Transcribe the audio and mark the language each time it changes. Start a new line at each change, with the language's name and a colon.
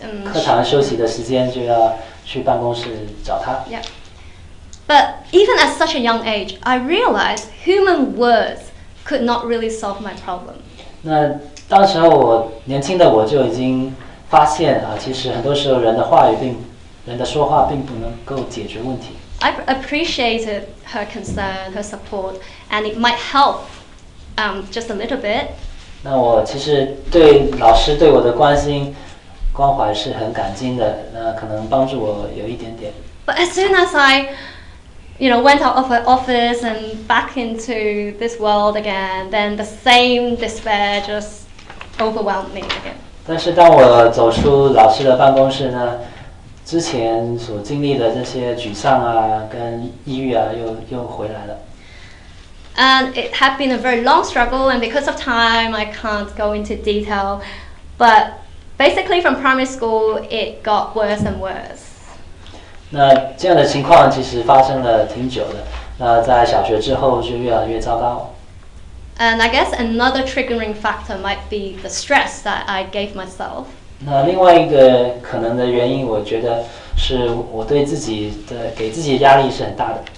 Chinese: 课堂休息的时间就要去办公室找她。
English: Yep. But even at such a young age, I realized human words could not really solve my problem.
Chinese: 那当时候我年轻的我就已经发现其实很多时候人的说话并不能够解决问题。
English: I appreciated her concern, her support, and it might help just a little bit.
Chinese: 那我其实对老师对我的关心关怀是很感激的，那可能帮助我有一点点。
English: But as soon as I... You know, went out of her office and back into this world again. Then the same despair just overwhelmed me again.
Chinese: 但是当我走出老师的办公室呢，之前所经历的这些沮丧啊，跟抑郁啊，又回来了。
English: And it had been a very long struggle, and because of time, I can't go into detail. But basically, from primary school, it got worse and worse.
Chinese: 那这样的情况其实发生了挺久的，那在小学之后就越来越糟糕。
English: And I guess another triggering factor might be the stress that I gave myself.
Chinese: 那另外一个可能的原因，我觉得是我对自己的给自己的压力是很大的。